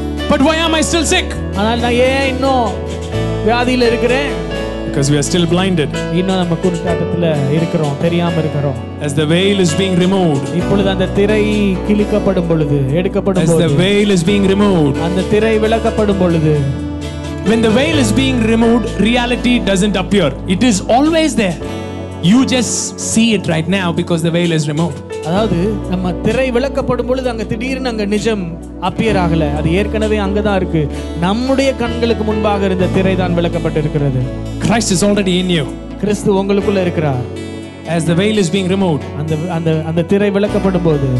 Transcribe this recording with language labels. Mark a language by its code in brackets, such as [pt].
[en] But why am I still sick? [ta] ஆனால் நான் ஏன் இன்னும் வியாதியில இருக்கிறேன்? [en] Because we are still blinded. [ta] இன்னும் நம்ம குருடாகத்துல இருக்கிறோம், தெரியாம இருக்கிறோம். [en] As the veil is being removed. [ta] இப்பொழுது அந்த திரை கிழிக்கப்படும் பொழுது, எடுக்கப்படும் பொழுது. [en] As the veil is being removed. [ta] அந்த திரை விலக்கப்படும் பொழுது. [en] When the veil is being removed, reality doesn't appear. It is always there. You just see it right now because the veil is removed. [ta] அதாவது நம்ம திரை விலக்கப்படும் பொழுது அங்க திடீர்னு அங்க நிஜம் அப்பியர் ஆகல. அது ஏற்கனவே அங்க தான் இருக்கு. நம்முடைய கண்களுக்கு முன்பாக இருந்த திரை தான் விலக்கப்பட்டிருக்கிறது. [en] Christ is already in you. [ta] கிறிஸ்து உங்களுக்குள்ள இருக்கிறார். [en] As the veil is being removed, [ta] அந்த திரை விலக்கப்படும் போது